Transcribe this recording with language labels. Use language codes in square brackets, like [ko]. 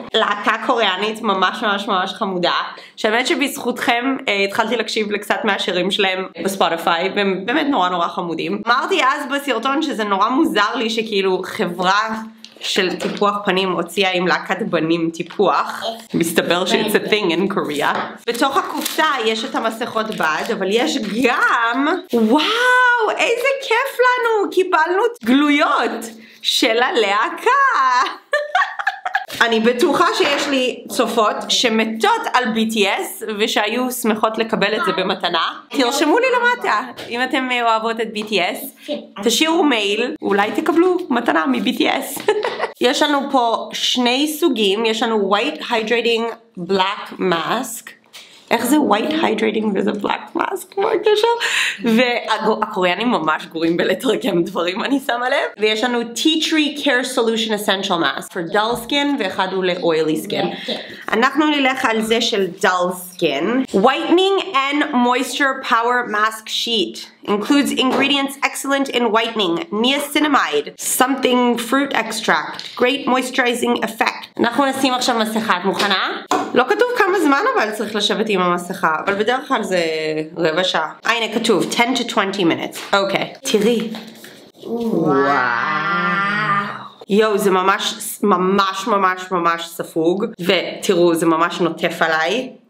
[he] להקה קוריאנית ממש ממש ממש חמודה, שבאמת שבזכותכם התחלתי להקשיב לקצת מהשירים שלהם בספוטיפיי, והם באמת נורא נורא חמודים. אמרתי אז בסרטון שזה נורא מוזר לי שכאילו חברה של טיפוח פנים הוציאה עם להקת בנים טיפוח. מסתבר שזה [en] thing in Korea. [he] בתוך הקופסה יש את המסכות בד, אבל יש גם, וואו, איזה כיף לנו, קיבלנו גלויות של הלהקה. אני בטוחה שיש לי צופות שמתות על BTS ושהיו שמחות לקבל את זה במתנה. תרשמו לי למטה אם אתם אוהבות את BTS. תשאירו מייל, אולי תקבלו מתנה מ-BTS. יש לנו פה שני סוגים, יש לנו White Hydrating Black Mask. איך זה White Hydrating וזה Black Mask? מה הקשר? והקוריאנים ממש גורים בלתרגם דברים, אני שמה לב. ויש לנו Tea Tree Care Solution Essential Mask for Dull Skin, ואחד הוא ל-Oily Skin. אנחנו נלך על זה של Dull Skin. [en] Whitening and Moisture Power Mask Sheet includes ingredients excellent in whitening, niacinamide, something fruit extract, great moisturizing effect. [he] אנחנו נשים עכשיו מסכה, את מוכנה? לא כתוב כמה זמן אבל צריך לשבת עם המסכה, אבל בדרך כלל זה רבע שעה. הנה כתוב, [en] 10 to 20 minutes. [he] אוקיי, תראי. וואו. יו, זה ממש, ממש, ממש, ממש ספוג, ותראו, זה ממש נוטף עליי.